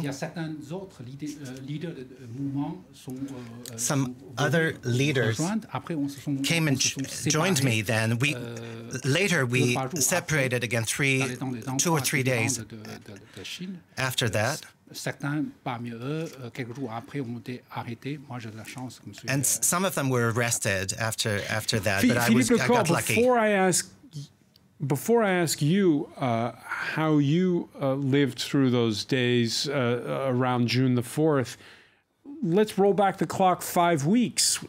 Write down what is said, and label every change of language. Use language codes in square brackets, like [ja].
[fr] Il y a certains autres leaders de mouvement sont. [en] Some other leaders came and joined me then. We later we separated again two or three days after that. [fr] Certains parmi eux, quelques jours après, ont été arrêtés. Moi, j'ai de la chance. [en] And some of them were arrested after that, but I got lucky. Before I ask you how you lived through those days around June the 4th, let's roll back the clock 5 weeks.